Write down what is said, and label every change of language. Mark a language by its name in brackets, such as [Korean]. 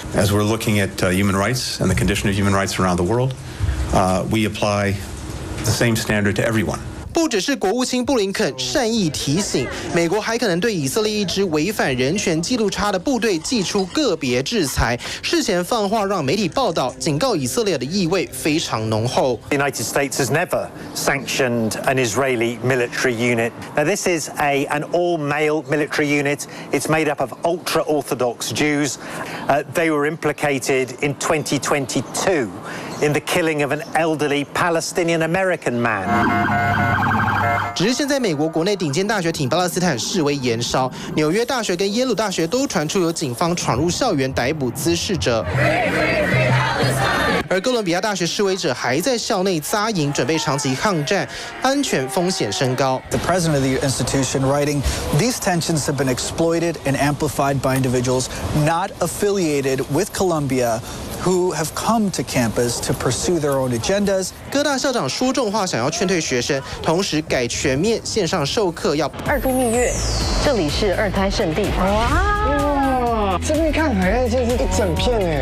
[English] As we're looking at human rights and the condition of human rights around the world, we apply the same standard to everyone. [Chinese] 不只是国务卿布林肯善意提醒，美国还可能对以色列一支违反人权记录差的部队祭出个别制裁。事前放话让媒体报道，警告以色列的意味非常浓厚。 [English] The United States has never sanctioned an Israeli military unit. Now this is an all-male military unit. It's made up of ultra-Orthodox Jews. They were implicated in 2022. In the killing of an elderly Palestinian American man. [Chinese] 只是现在美国国内顶尖大学挺巴勒斯坦示威延烧，纽约大学跟耶鲁大学都传出有警方闯入校园逮捕滋事者。而哥伦比亚大学示威者还在校内扎营，准备长期抗战，安全风险升高。 [English] The president of the institution writing, "These tensions have been exploited and amplified by individuals not affiliated with Columbia, who have come to campus to pursue their own agendas." [Chinese] 哥大校长说重话，想要劝退学生，同时改全面线上授课，要二度蜜月。这里是二胎圣地。哇，这边看起来就是一整片哎。